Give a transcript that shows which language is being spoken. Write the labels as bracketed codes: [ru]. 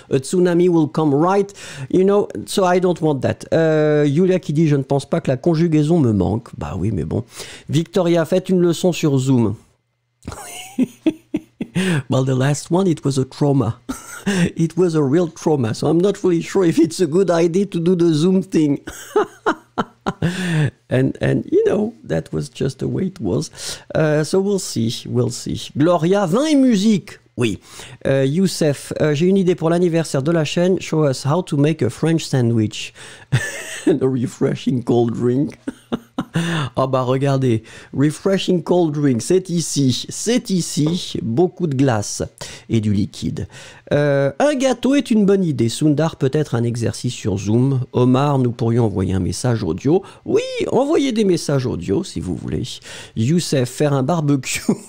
[en] A tsunami will come right, you know, so I don't want that. [fr] Julia qui dit, je ne pense pas que la conjugaison me manque. Bah oui, mais bon. Victoria, faites une leçon sur Zoom. [en] Well, the last one, it was a trauma. It was a real trauma, so I'm not fully sure if it's a good idea to do the Zoom thing. And you know, that was just the way it was. So we'll see. [fr] Gloria, vin et musique. Oui. Youssef, j'ai une idée pour l'anniversaire de la chaîne. [en] Show us how to make a French sandwich. And a refreshing cold drink. [fr] Ah bah regardez, [en] refreshing cold drink, [fr] c'est ici, beaucoup de glace et du liquide. Un gâteau est une bonne idée, Sundar peut-être un exercice sur Zoom, Omar nous pourrions envoyer un message audio, oui, envoyez des messages audio si vous voulez, Youssef faire un barbecue.